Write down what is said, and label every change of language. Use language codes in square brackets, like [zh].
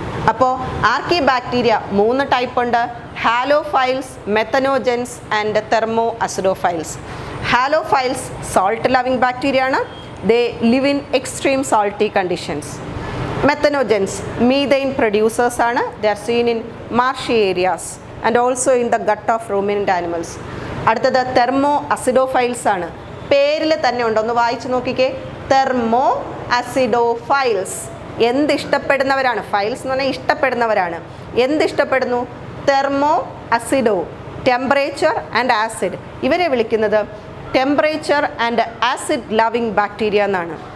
[ml] അപ്പോൾ ആർക്കി ബാക്ടീരിയ മൂന്ന് ടൈപ്പ് ഉണ്ട്: halophiles, methanogens and thermo acidophiles. [en] Halophiles salt loving bacteria ആണ്. They live in extreme salty conditions. [ml] Methanogens methane producers ആണ്. [en] They are seen in marshy areas and also in the gut of ruminant animals. [ml] അടുത്തത് thermo acidophiles ആണ്. പേരിൽ തന്നെ ഉണ്ട്, ഒന്ന് വായിച്ചു നോക്കിക്കേ. Thermo acidophiles എന്തിഷ്ടപ്പെടുന്നവരാണ്? ഫൈൽസ് എന്ന് പറഞ്ഞാൽ ഇഷ്ടപ്പെടുന്നവരാണ്. എന്തിഷ്ടപ്പെടുന്നു? Thermo acido, temperature and acid. ഇവരെ വിളിക്കുന്നത് temperature and acid loving bacteria എന്നാണ്.